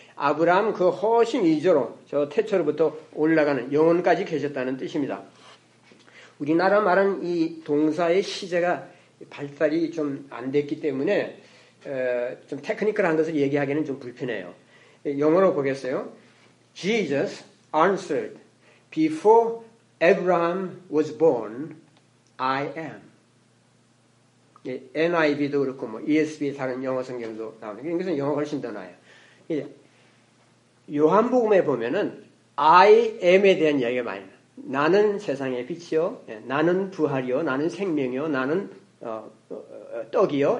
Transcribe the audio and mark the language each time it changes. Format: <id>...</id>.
<ko>아브라함 그 훨씬 이전으로 저 태초로부터 올라가는 영혼까지 계셨다는 뜻입니다. 우리나라 말은 이 동사의 시제가 발달이 좀 안 됐기 때문에 좀 테크니컬한 것을 얘기하기는 좀 불편해요. 영어로 보겠어요.</ko> <en>Jesus answered, Before Abraham was born, I am.</en> <ko>NIV도 그렇고 뭐 ESV 다른 영어 성경도 나오는 게 이것은 영어 훨씬 더 나아요. 이제 요한복음에 보면은</ko> <en>I am</en> <ko>에 대한 이야기가 많이 나요. 나는 세상의 빛이요. 나는 부활이요. 나는 생명이요. 나는 떡이요.</ko>